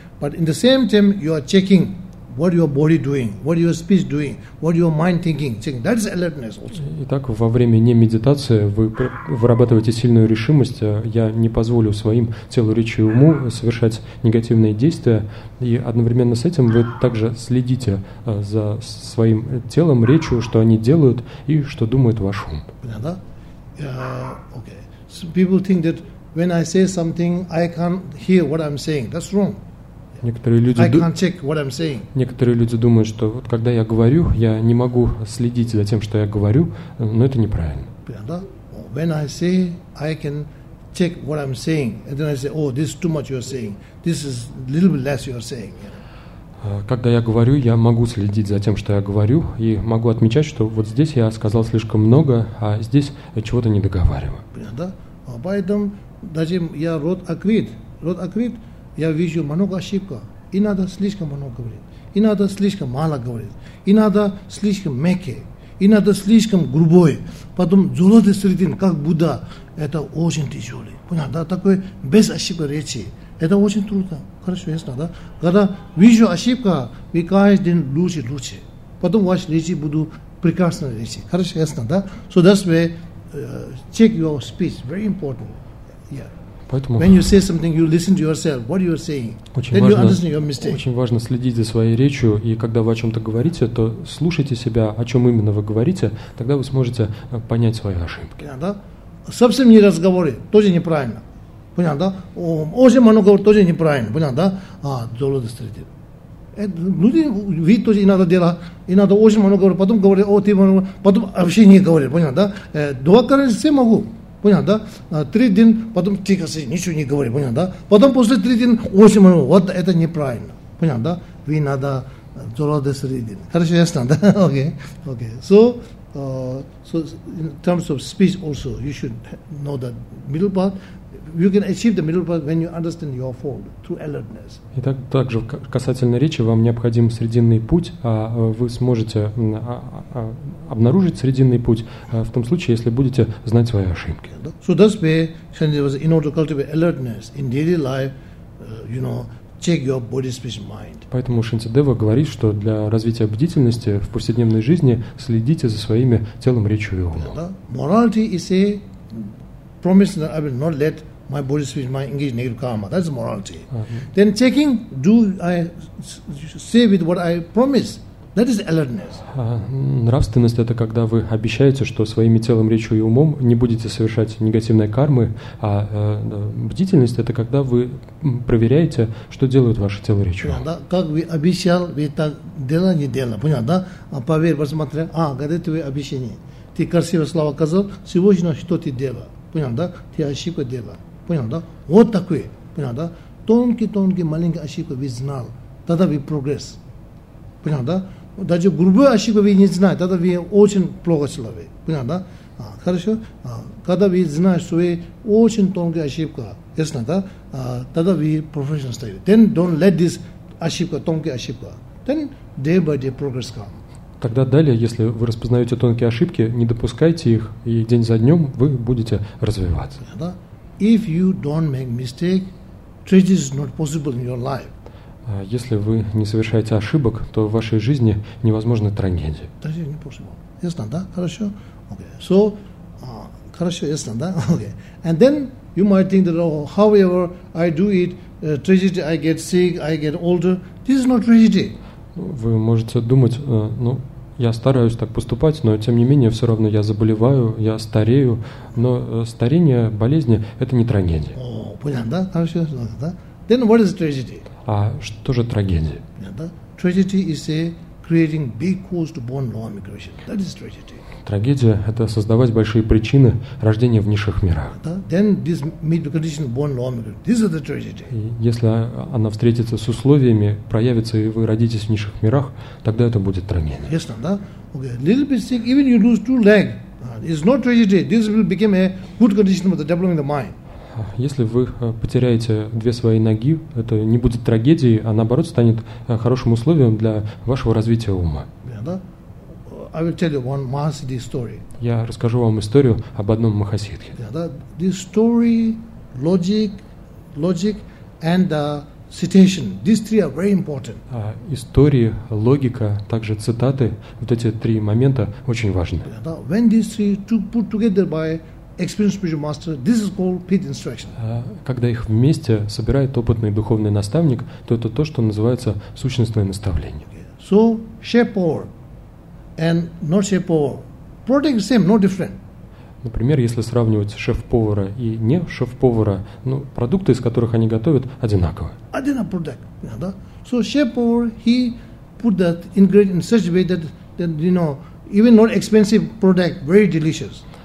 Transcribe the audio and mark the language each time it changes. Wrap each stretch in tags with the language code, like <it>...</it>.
<en>But in the same time, you are checking what your body doing, what your speech doing, what your mind thinking. That is alertness also.</en> <ru>Итак, во время не медитации вы вырабатываете сильную решимость. Я не позволю своим телу, речи и уму совершать негативные действия. И одновременно с этим вы также следите за своим телом, речью, что они делают и что думает ваш ум. Да?</ru> <en>Okay. So people think that when I say something, I can't hear what I'm saying. That's wrong.</en> <ru>Некоторые люди думают, что вот когда я говорю, я не могу следить за тем, что я говорю, но это неправильно.</ru> <en>When I say, I can check what I'm saying, and then I say, oh, this is too much you're saying, this is a little bit less you're saying.</en> <ru>Когда я говорю, я могу следить за тем, что я говорю, и могу отмечать, что вот здесь я сказал слишком много, а здесь я чего-то не договариваю. Поэтому даже я рот открыт. Я вижу много ошибка. И надо слишком много говорить. И надо слишком мало говорить. И надо слишком мягкий. И надо слишком грубой. Потом золотой середины, как Будда, это очень тяжелый. Понял, да? Такой без ошибок речи. Это очень трудно. Хорошо, ясно, да? Когда вижу ошибка, и каждый день лучше. Потом ваши речи будут прекрасные речи. Хорошо, ясно, да?</ru> <en>So that's why check your speech. Very important. Yeah.</en> <ru>Поэтому</ru> <en>when you say something, you listen to yourself, what you are saying.</en> <ru>Очень</ru> <en>then</en> <ru>важно,</ru> <en>you understand your mistake.</en> <ru>Очень важно следить за своей речью, и когда вы о чем-то говорите, то слушайте себя, о чем именно вы говорите, тогда вы сможете понять свои ошибки. Да? Совсем не разговоры, тоже неправильно. Понятно, да? Очень много говорить, тоже неправильно. Понятно, да? Золото встретит. Люди видят тоже иногда дела, иногда очень много говорить, потом говорят, о, ты много, потом вообще не говорят, понятно, да? Два короля все могу. Понял, да? Три дня, потом тихо сидит, ничего не говорит, понял, да? Потом после три дня очень много, вот это неправильно, понял, да? Вы надо золотой середины. Хорошо, ясно, да? Окей.</ru> <en>Okay. So, So in terms of speech also, you should know that middle path. You can achieve the middle path when you understand your fault through alertness.</en> <ru>Итак, также касательно речи, вам необходим срединный путь, а вы сможете обнаружить срединный путь в том случае, если будете знать свои ошибки.</ru> <en>So that's why, Shantideva, in order to cultivate alertness in daily life, you know, check your body, speech, mind.</en> <ru>Поэтому Шантидева говорит, что для развития бдительности в повседневной жизни следите за своими телом, речью и умом.</ru> <en>Morality is a promise that I will not let my body, speech, mind engage negative karma. That's morality. Then checking, do I say with what I promise? That is alertness.</en> <ru>Нравственность – это когда вы обещаете, что своими телом, речью и умом не будете совершать негативной кармы, а бдительность – это когда вы проверяете, что делают ваше тело, речь и ум. Как вы обещал, вы так дело не дело. Понятно, да? А поверь, посмотри, а, когда ты обещание. Ты красивое слово сказал, сегодня что ты делал. Понятно, да? Ты ошибку делал. Понятно, да? Вот такое. Понятно, да? Тонкие-тонкие маленькие ошибки вы знал. Тогда вы прогресс. Понятно, да? Даже грубую ошибку вы не знаете, тогда вы очень плохо человек. Понятно, да? Хорошо? Когда вы знаете, что вы очень тонкая ошибка, ясно, да? Тогда вы профессионал стоите.</ru> <en>Then don't let this</en> <ru>ошибка, тонкая ошибка.</ru> <en>Then day by day progress come.</en> <ru>Тогда далее, если вы распознаете тонкие ошибки, не допускайте их, и день за днем вы будете развиваться. Понятно, да?</ru> <en>If you don't make mistake, tragedy is not possible in your life.</en> <ru>Если вы не совершаете ошибок, то в вашей жизни невозможны трагедии. Трагедии не</ru> <en>possible.</en> <ru>Ясно, да? Хорошо?</ru> <en>Okay. So,</en> <ru>хорошо, ясно, да?</ru> <en>Okay. And then you might think that, oh, however I do it, tragedy, I get sick, I get older. This is not tragedy.</en> <ru>Вы можете думать, ну, я стараюсь так поступать, но тем не менее, все равно я заболеваю, я старею. Но старение, болезни – это не трагедия. О, понятно, да? Хорошо, ясно, да?</ru> <en>Then what is tragedy?</en> <ru>А что же трагедия?</ru> <en>Yeah, tragedy is a creating big cause to born lower migration. That is tragedy.</en> <ru>Трагедия – это создавать большие причины рождения в низших мирах.</ru> <en>Then this middle condition born lower migration. This is the tragedy.</en> <ru>И если она встретится с условиями, проявится и вы родитесь в низших мирах, тогда это будет трагедия. Ясно, да?</ru> <en>Okay. Little bit sick, even you lose two leg, it's not tragedy. This will become a good condition for the developing the mind.</en> <ru>Если вы потеряете две свои ноги, это не будет трагедией, а наоборот станет хорошим условием для вашего развития ума.</ru> <en>Yeah, I will tell you one Mahasiddhi story.</en> <ru>Я расскажу вам историю об одном Махасиддхе.</ru> <en>Yeah, this story, logic and citation, these three are very important.</en> <ru>Истории, логика, также цитаты, вот эти три момента очень важны.</ru> <en>Yeah, when these three put together by experienced spiritual master, this is called pith instruction.</en> <ru>Когда их вместе собирает опытный духовный наставник, то это то, что называется сущностное наставление.</ru> <en>Okay. So, shepherd and not shepherd, product same, no different.</en> <ru>Например, если сравнивать шеф-повара и не шеф-повара, ну, продукты, из которых они готовят, одинаковы. Одинаковый продукт, да?</ru> <en>So, shepherd, he put that ingredient in such way that you know, even not expensive product, very delicious.</en>